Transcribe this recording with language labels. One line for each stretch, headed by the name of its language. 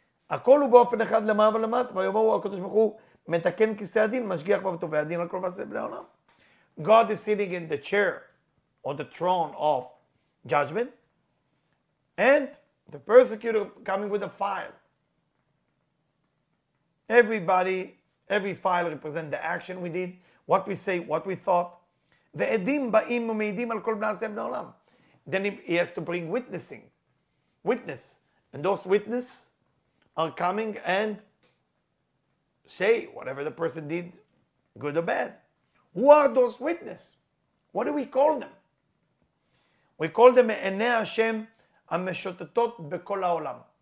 Hebrew: הכל הוא באופן אחד למעלה ולמטה, ויאמר הוא הקדוש ברוך הוא מתקן כיסא הדין, משגיח ותובע הדין על כל מעשה בני העולם.
English: God is sitting in the chair or the throne of judgment, and the persecutor coming with a file. Everybody, every file represents the action we did, what we say, what we thought.
Hebrew: ועדים באים ומעידים על כל מעשה בני העולם.
English: Then he has to bring witnessing. Witness. And those witness are coming and say whatever the person did, good or bad. Who are those witness? What do we call them? We call them
Hebrew: Enei Hashem HaMeshotetot B'Kol HaOlam.